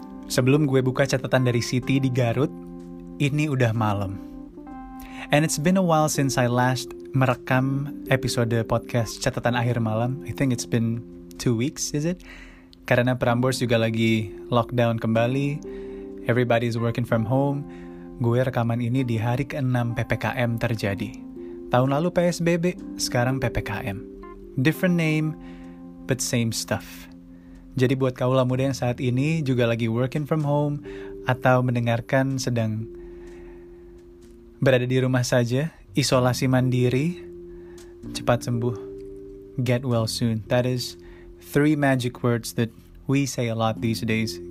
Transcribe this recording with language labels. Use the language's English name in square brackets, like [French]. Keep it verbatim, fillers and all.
[Indonesian] Sebelum gue buka catatan dari Siti di Garut, ini udah malam. [English] And it's been a while since I last [Indonesian] merekam episode podcast Catatan Akhir Malam. [English] I think it's been two weeks, is it? [Indonesian] Karena Prambors juga lagi lockdown kembali. [English] Everybody's working from home. [Indonesian] Gue rekaman ini di hari keenam P P K M terjadi. Tahun lalu P S B B, sekarang P P K M. [English] Different name, but same stuff. [Indonesian] Jadi buat kaula muda yang saat ini juga lagi [English] working from home [Indonesian] atau mendengarkan sedang berada di rumah saja, isolasi mandiri, cepat sembuh. [English] Get well soon. That is three magic words that we say a lot these days.